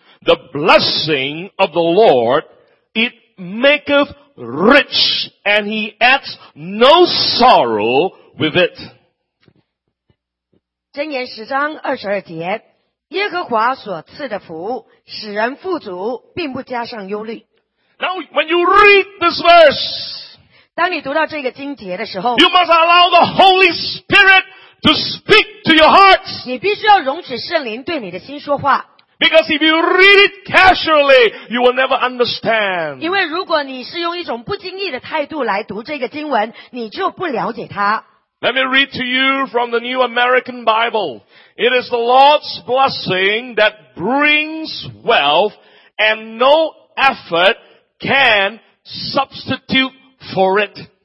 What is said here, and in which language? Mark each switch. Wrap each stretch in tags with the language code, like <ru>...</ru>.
<en>The blessing of the Lord, it maketh rich, and he adds no sorrow with it.</en> <zh>箴言10章22节。耶和华所赐的福使人富足，并不加上忧虑。</zh> <en>Now, when you read this verse,</en> <zh>当你读到这个经节的时候,</zh> <en>you must allow the Holy Spirit to speak to your heart.</en> <zh>你必须要容许圣灵对你的心说话。</zh> <en>Because if you read it casually, you will never understand.</en> <zh>因为如果你是用一种不经意的态度来读这个经文，你就不了解它。</zh> <en>Let me read to you from the New American Bible. It is the Lord's blessing that brings wealth, and no effort can substitute for it.</en>